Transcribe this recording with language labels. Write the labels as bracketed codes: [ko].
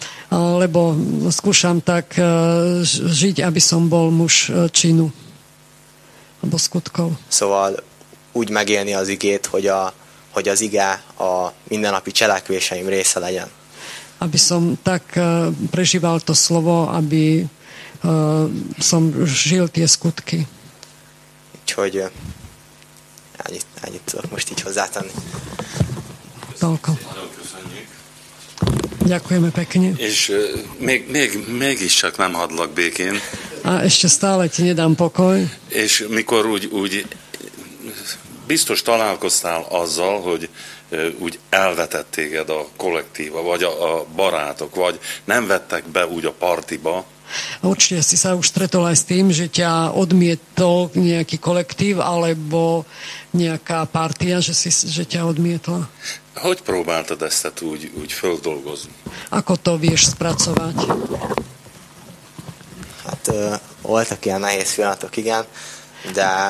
[sk] Lebo skúšam tak žiť, aby som bol muž činu. Abo skutkov. [hu] Szóval úgy megélni az igét, hogy az ige a mindennapi cselekvéseim része legyen. [sk] Aby som tak prežíval to slovo, aby som žil tie skutky. [hu] Úgyhogy ennyit tudok most így hozzátenni. [sk] Toľko. Ďakujeme pekne. [hu] És mégiscsak nem hadlak békén. [sk] A ešte stále ti nedám pokoj. [hu] És mikor úgy biztos találkoztál azzal, hogy úgy elvetett téged a kollektíva, vagy a barátok, vagy nem vettek be úgy a partiba. [sk] Určite si sa už stretol aj s tým, že ťa odmietol nejaký kolektív, alebo nejaká partia, že ťa odmietla. [hu] Hogy próbáltad ezt úgy feldolgozni? [sk] Ako to vieš spracovať? [hu] Hát voltak ilyen nehéz pillanatok, igen, de